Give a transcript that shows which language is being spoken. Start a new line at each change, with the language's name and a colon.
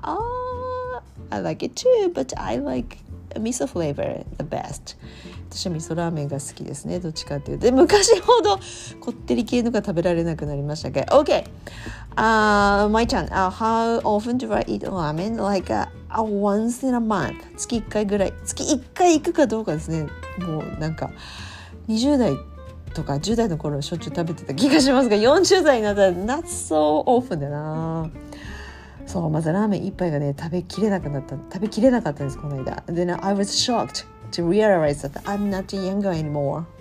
English: I like it too, but I like味噌 flavor the best.
Japanese: 私は味噌ラーメンが好きですね、どっちかっていうと。昔ほどこってり系のが食べられなくなりましたけど。
English: OK、my turn、how often do I eat ramen? Like once in a month、
Japanese: 月1回ぐらい、月1回行くかどうかですね。もうなんか20代とか10代の頃しょっちゅう食べてた気がしますが、40代になったら
English: not so often
Japanese: だな。そう、まずラーメン1杯がね食べきれなくなった、食べきれなかったんですこの間。
English: Then I was shockedTo realize that I'm not younger anymore.